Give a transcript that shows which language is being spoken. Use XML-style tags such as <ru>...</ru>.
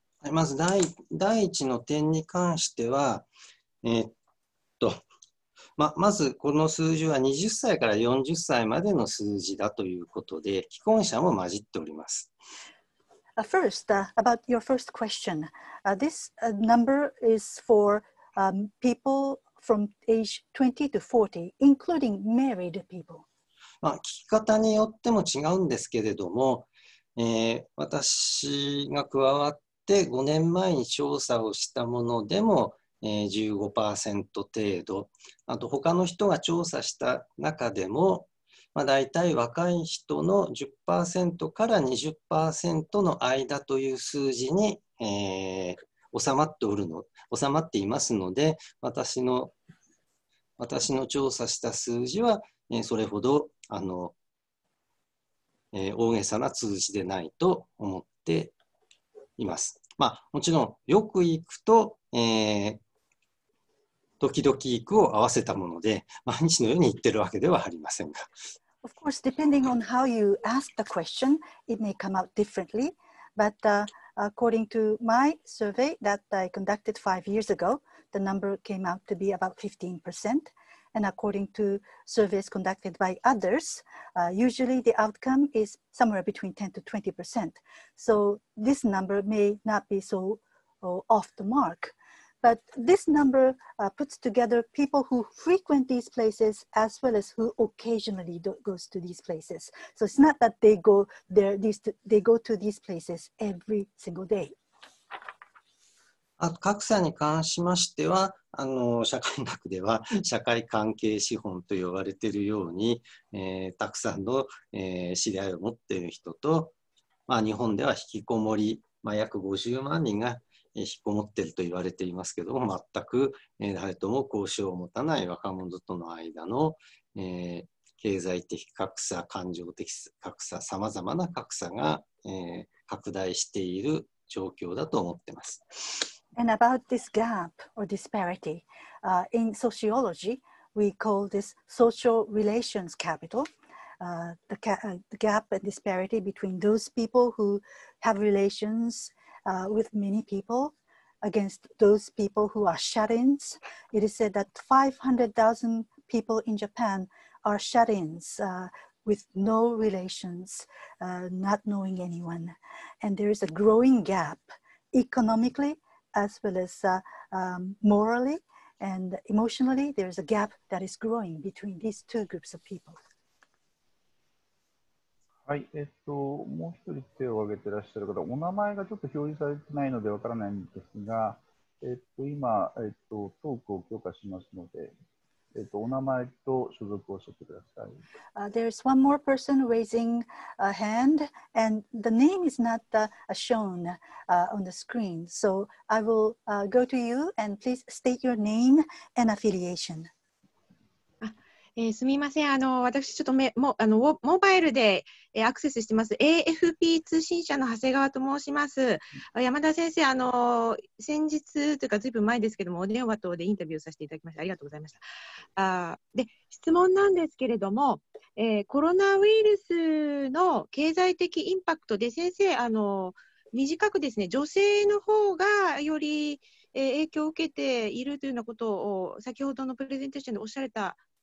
<ja>まず第一の点に関しては、まずこの数字は20歳から40歳までの数字だということで、既婚者も混じっております。</ja> <en>First, about your first question. This number is for people from age 20 to 40, including married people.、</en> <ja>まあ、聞き方によっても違うんですけれども、私が加わって5年前に調査をしたものでも、15% 程度、あと他の人が調査した中でも、まあ、大体若い人の 10% から 20% の間という数字に、収まっていますので、私の調査した数字は、それほど大げさな数字でないと思っています。まあ、もちろんよく行くと、時々行くを合わせたもので、毎日のように行ってるわけではありませんが。</ja> <en>Of course, depending on how you ask the question, it may come out differently. But according to my survey that I conducted 5 years ago, the number came out to be about 15%. And according to surveys conducted by others, usually the outcome is somewhere between 10 to 20%. So this number may not be so off the mark. But this number puts together people who frequent these places as well as who occasionally goes to these places. So it's not that they go there, they go to these places every single day.</en> <ja>あと格差に関しましては、社会学では社会関係資本と呼ばれているように、たくさんの、知り合いを持っている人と、まあ、日本では引きこもり、まあ、約50万人が引きこもってると言われていますけども、全く誰とも交渉を持たない若者との間の、経済的格差、感情的格差、さまざまな格差が、拡大している状況だと思ってます。</ja> <en>And about this gap or disparity, in sociology, we call this social relations capital. The gap and disparity between those people who have relationsWith many people against those people who are shut-ins. It is said that 500,000 people in Japan are shut-ins with no relations, not knowing anyone. And there is a growing gap economically as well as morally and emotionally. There is a gap that is growing between these two groups of people.</en> <ja>はい、もう一人手を挙げてらっしゃる方、お名前がちょっと表示されてないのでわからないんですが、今、トークを許可しますので、お名前と所属を教えてください。</ja> <en>There's one more person raising a hand, and the name is not shown on the screen. So I will go to you, and please state your name and affiliation.</en> <ja>すみません。私、ちょっとモバイルで、アクセスしています。 AFP 通信社の長谷川と申します。山田先生、先日というか、ずいぶん前ですけども、お電話等でインタビューさせていただきました。ありがとうございました。で、質問なんですけれども、コロナウイルスの経済的インパクトで、先生、短くですね、女性の方がより、影響を受けているというようなことを、先ほどのプレゼンテーションでおっしゃられた、</ja>